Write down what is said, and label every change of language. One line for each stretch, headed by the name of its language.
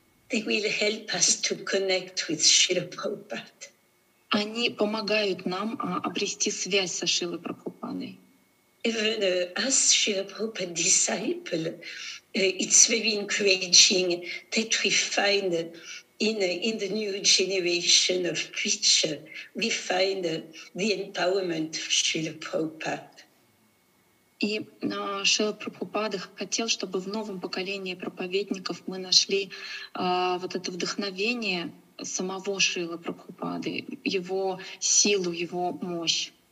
English: They will help us to connect with Srila Prabhupada.
Russian: Они помогают нам обрести связь со Шрилой Прабхупадой.
English: Even as Srila Prabhupada's disciple, it's very encouraging that we find in the new generation of preacher, we find the empowerment of Srila Prabhupada.
Russian: И Шрила Прабхупада хотел, чтобы в новом поколении проповедников мы нашли вот это вдохновение самого Шрилы Прабхупады, его силу, его мощь.